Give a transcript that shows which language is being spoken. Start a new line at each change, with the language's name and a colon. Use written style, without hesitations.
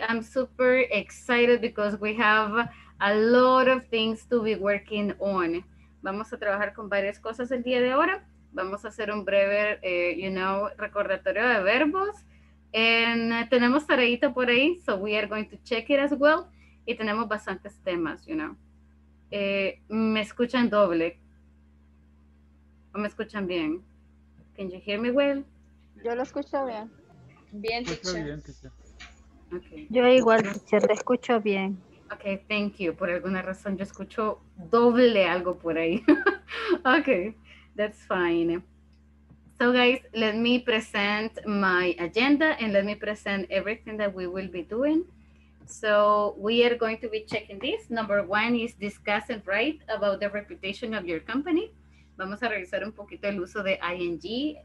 English: I'm super excited because we have a lot of things to be working on.
Spanish: Vamos a trabajar con varias cosas el día de ahora. Vamos a hacer un breve,
English: you know,
Spanish: recordatorio de verbos.
English: And
Spanish: tenemos tareita por ahí,
English: so we are going to check it as well.
Spanish: Y tenemos bastantes temas,
English: you know.
Spanish: ¿Me escuchan doble? ¿O me escuchan bien?
English: Can you hear me well?
Spanish: Yo lo escucho bien. Bien, teacher. Okay. Yo igual, teacher, te escucho bien.
English: Okay, thank you.
Spanish: Por alguna razón yo escucho doble algo por ahí.
English: Okay, that's fine. So guys, let me present my agenda and let me present everything that we will be doing. So we are going to be checking this. Number one is discuss and write about the reputation of your company.
Spanish: Vamos a revisar un poquito el uso de ING.